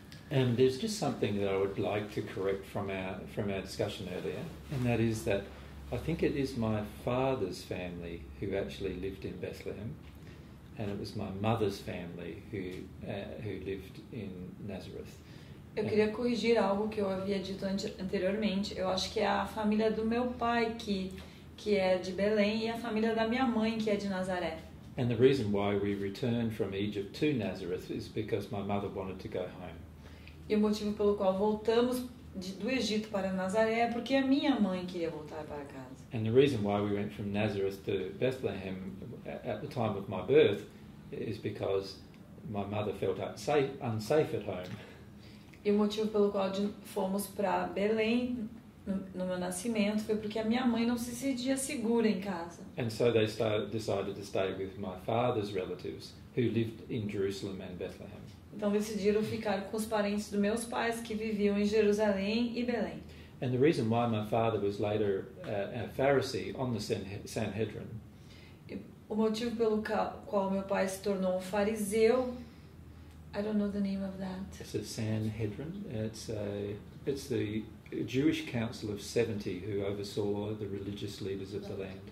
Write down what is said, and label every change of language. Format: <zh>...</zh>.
<en>And there's just something that I would like to correct from our discussion earlier, and that is that I think it is my father's family who actually lived in Bethlehem, and it was my mother's family who lived in Nazareth.</en> <pt>Eu queria corrigir algo que eu havia dito anteriormente. Eu acho que é a família do meu pai que é de Belém e a família da minha mãe que é de Nazaré.</pt> <en>And the reason why we returned from Egypt to Nazareth is because my mother wanted to go home.</en> <pt>E o motivo pelo qual voltamos do Egito para Nazaré é porque a minha mãe queria voltar para casa.</pt> <en>And the reason why we went from Nazareth to Bethlehem at the time of my birth is because my mother felt unsafe at home.</en> <pt>E o motivo pelo qual fomos para Belém no meu nascimento foi porque a minha mãe não se sentia segura em casa.</pt> <en>And so they decided to stay with my father's relatives who lived in Jerusalem and Bethlehem.</en> <pt>Então decidiram ficar com os parentes dos meus pais que viviam em Jerusalém e Belém.</pt> <en>And the reason why my father was later a Pharisee on the Sanhedrin.</en> <pt>O motivo pelo qual meu pai se tornou um fariseu.</pt> <en>I don't know the name of that. It's a Sanhedrin. It's the Jewish Council of 70 who oversaw the religious leaders of the land.</en>